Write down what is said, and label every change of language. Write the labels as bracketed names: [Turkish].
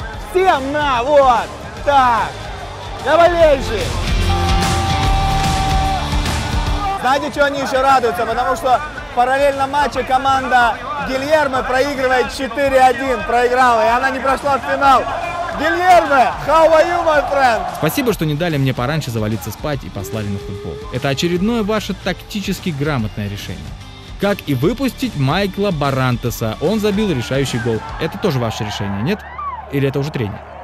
[Russian] Всем на, вот, так, я болельщик. Знаете, чего они еще радуются? Потому что в параллельном матче команда Гильермо проигрывает 4-1, проиграла, и она не прошла в финал. [English] Гильермо, how are you, my friend? [Russian] Спасибо, что не дали мне пораньше завалиться спать и послали на футбол. Это очередное ваше тактически грамотное решение. Как и выпустить Майкла Барантеса, он забил решающий гол. Это тоже ваше решение, нет? Или это уже тренер?